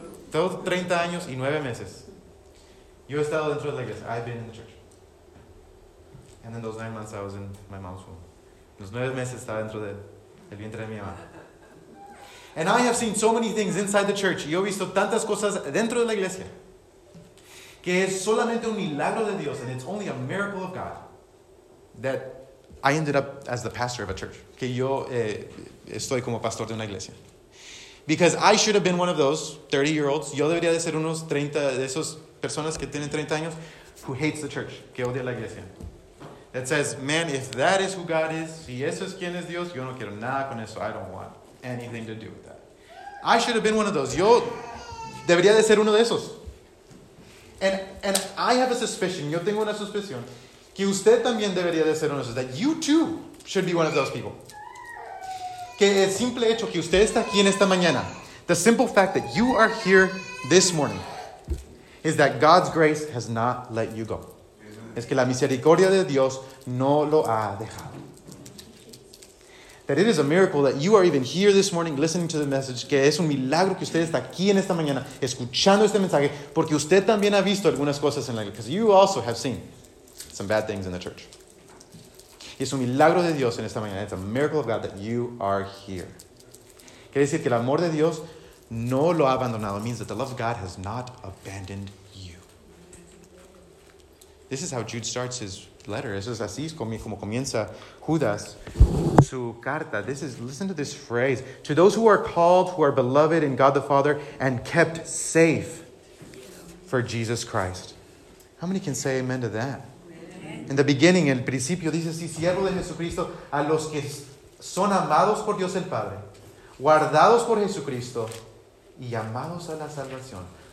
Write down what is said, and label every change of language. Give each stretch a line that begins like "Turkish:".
Spanish: Todos 30 años y 9 meses. Yo he estado dentro de la iglesia.
English: I've been in the church. And in those 9 months, I was in my mom's womb.
Spanish: En los 9 meses, estaba dentro del vientre de mi mamá.
English: And I have seen so many things inside the church.
Spanish: Yo he visto tantas cosas dentro de la iglesia. Que es solamente un milagro de Dios.
English: And it's only a miracle of God. That I ended up as the pastor of a church.
Spanish: Que yo estoy como pastor de una iglesia.
English: Because I should have been one of those 30-year-olds.
Spanish: Yo debería de ser unos 30 de esos personas que tienen 30 años
English: who hates the church,
Spanish: que odia la iglesia.
English: That says, man, if that is who God is,
Spanish: si eso es quien es Dios, yo no quiero nada con eso.
English: I don't want anything to do with that. I should have been one of those.
Spanish: Yo debería de ser uno de esos.
English: And I have a suspicion,
Spanish: yo tengo una suspicion, que usted también debería de ser uno de esos.
English: That you too should be one of those people.
Spanish: Que el simple hecho que usted está aquí en esta mañana,
English: the simple fact that you are here this morning, is that God's grace has not let you go. Amen.
Spanish: Es que la misericordia de Dios no lo ha dejado.
English: That it is a miracle that you are even here this morning listening to the message.
Spanish: Que es un milagro que usted está aquí en esta mañana escuchando este mensaje porque usted también ha visto algunas cosas en la iglesia.
English: Because you also have seen some bad things in the church.
Spanish: Y es un milagro de Dios en esta mañana.
English: It's a miracle of God that you are here.
Spanish: Quiere decir que el amor de Dios no lo ha abandonado.
English: It means that the love of God has not abandoned you. This is how Jude starts his letter.
Spanish: Eso es así como comienza Judas su carta.
English: This is, listen to this phrase. To those who are called, who are beloved in God the Father, and kept safe for Jesus Christ. How many can say amen to that? In the beginning,
Spanish: el principio, dice así, siervo de Jesucristo, a los que son amados por Dios el Padre, guardados por Jesucristo, y llamados a la salvación.